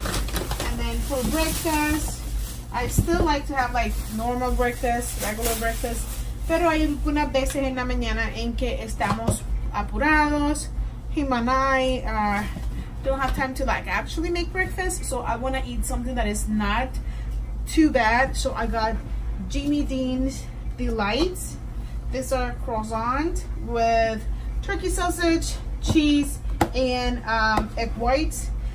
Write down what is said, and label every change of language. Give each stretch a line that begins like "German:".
English: And then for breakfast, I still like to have like normal breakfast, regular breakfast.
Spanish: Pero hay unas veces en la mañana en que estamos apurados.
English: Him and I don't have time to like actually make breakfast, so I want to eat something that is not too bad. So I got Jimmy Dean's Delights. These are croissant with turkey sausage, cheese, and egg whites.